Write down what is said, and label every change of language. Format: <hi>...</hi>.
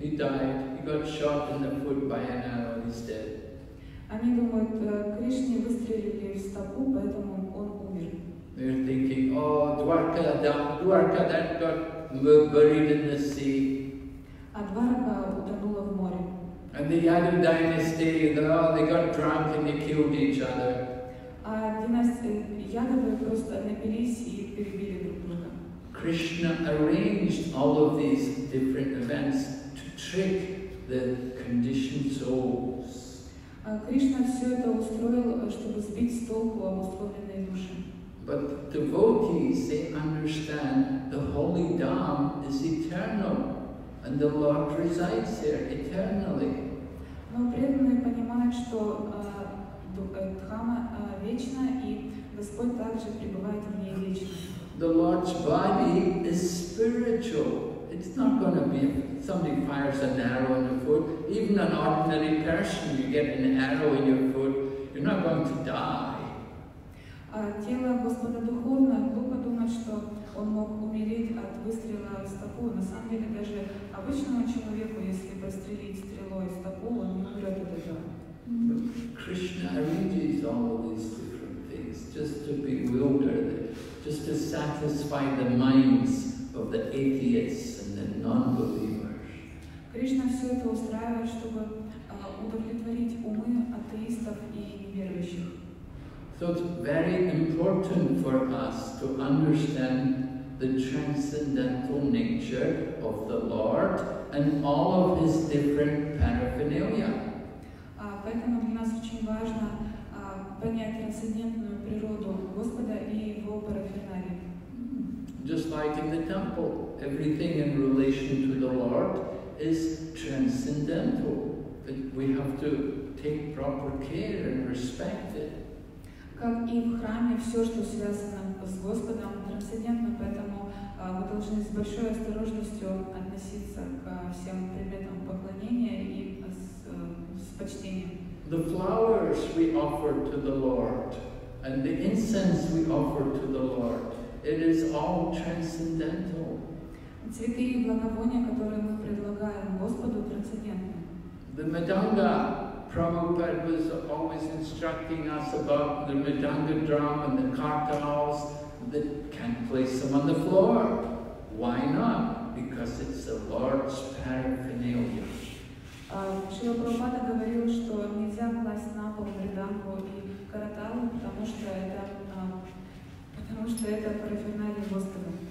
<en>he died, he got shot in the foot by an arrow, he's dead.</en> <ru>Они думают, Кришне выстрелили в стопу, поэтому он умер.</ru> <en>They're thinking, oh, Dwarka, Dwarka that got buried in the sea.</en> <ru>А Дварка утонула в море.</ru> <en>And the Yadu dynasty, they got drunk and they killed each other.</en> <ru>А династия Ядовы просто напились и перебили друг друга.</ru> <en>Krishna arranged all of these different events to trick the conditioned souls.</en> <ru>Кришна все это устроил, чтобы сбить с толку обусловленные души.</ru> <en>But the devotees, they understand the holy Dham is eternal, and the Lord resides there eternally.</en> <ru>Но преданные понимают, что Дхама вечна, и Господь также пребывает в ней вечно.</ru> <en>The Lord's body is spiritual. It's not going to be somebody fires an arrow in the foot. Even an ordinary person, you get an arrow in your foot, you're not going to die.</en> <ru>Тело Господа духовно, глупо думать, что он мог умереть от выстрела в стопу. На самом деле, даже обычному человеку, если прострелить стрелой в стопу, он не умрет от этого.</ru> <en>Krishna arranges all of these different things just to bewilder them, just to satisfy the minds of the atheists and the non-believers.</en> <ru>Кришна все это устраивает, чтобы удовлетворить умы атеистов и неверующих.</ru> <en>So it's very important for us to understand the transcendental nature of the Lord and all of his different paraphernalia.</en> <ru>Поэтому для нас очень важно понять трансцендентную природу Господа и его параферналии.</ru> <en>Just like in the temple, everything in relation to the Lord is transcendental. But we have to take proper care and respect it.</en> <ru>Как и в храме, все, что связано с Господом, трансцендентно, поэтому мы должны с большой осторожностью относиться к всем предметам поклонения и с почтением.</ru> <en>The flowers we offer to the Lord and the incense we offer to the Lord, it is all transcendental.</en> <ru>Цветы и благовония, которые мы предлагаем Господу, трансцендентны.</ru> <en>The madanga, Prabhupada was always instructing us about the madanga drum and the kartals that can place them on the floor. Why not? Because it's the Lord's paraphernalia.</en> <ru>Шрила Прабхупада говорил, что нельзя класть на пол мридангу и караталу, потому что это парафернали Господа.</ru>